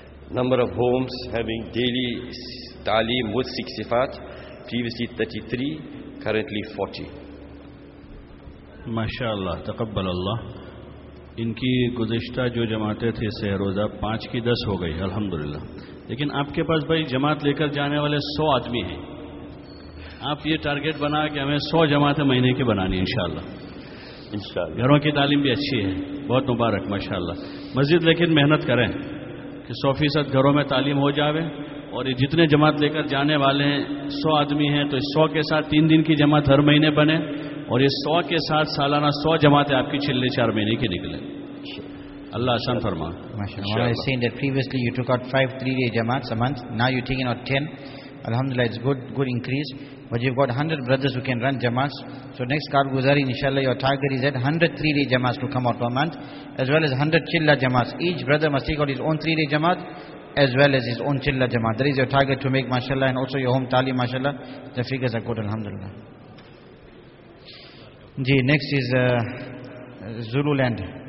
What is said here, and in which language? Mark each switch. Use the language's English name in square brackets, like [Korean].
[English] Number of homes having daily ta'alim with siksifat, previously 33, currently 40. [Arabic] MashaAllah, taqabbal Allah. [Urdu] ان کی گزشتہ جو جماعتیں تھے سہ روزہ 5-10 ہو گئی الحمدللہ لیکن آپ کے پاس بھائی جماعت لے کر جانے والے 100 آدمی ہیں آپ یہ ٹارگیٹ بنا کہ ہمیں 100 جماعتیں مہینے کی بنانی انشاءاللہ گھروں کی تعلیم بھی اچھی ہے بہت مبارک ماشاءاللہ مسجد لیکن محنت کریں کہ 100% گھروں میں تعلیم ہو جاوے اور یہ جتنے جماعت لے کر جانے والے ہیں 100 آدمی ہیں تو 100 کے ساتھ 3 دن کی جماعت ہر مہینے بنے اور یہ 100 کے ساتھ سالانہ 100 جماعتیں آپ کی چھلے 4 مہینے کی نکلیں اللہ آسان فرما [English] ماشاءاللہ I was saying that previously you took out 5 3-day jamaats a month now you're taking out 10 alhamdulillah it's good increase but you've got 100 brothers who can run jamaats so next kar guzari inshallah your target is at 100 3-day jamaats to come out per month as well as 100 chilla jamaats each brother must take out his own 3-day jamaat as well as his own chilla jamaat that is your target to make mashallah and also your home tali mashallah the figures are good alhamdulillah جی next is Zululand